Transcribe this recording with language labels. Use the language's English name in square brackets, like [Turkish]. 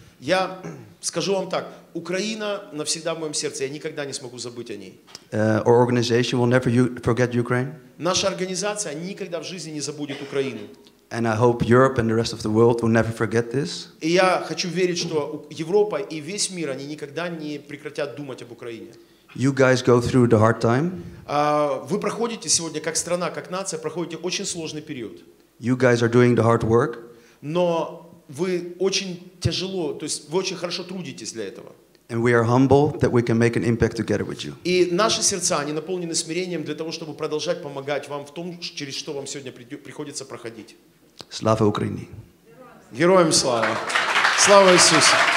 [Russian] Я скажу вам так: Украина навсегда в моем сердце. Я никогда не смогу забыть о ней. [English] Our organization will never forget Ukraine. [Russian] Наша организация никогда в жизни не забудет Украину. [English] And I hope Europe and the rest of the world will never forget this. [Russian] И я хочу верить, что Европа и весь мир, они никогда не прекратят думать об Украине. [English] You guys go through the hard time. [Russian] Вы проходите сегодня как страна, как нация, проходите очень сложный период. [English] You guys are doing the hard work. [Russian] Но вы очень тяжело, то есть вы очень хорошо трудитесь для этого. [English] And we are humble that we can make an impact together with you. [Russian] И наши сердца, они наполнены смирением для того, чтобы продолжать помогать вам в том, через что вам сегодня приходится проходить. Слава Украине! Героям слава! Слава Иисусу!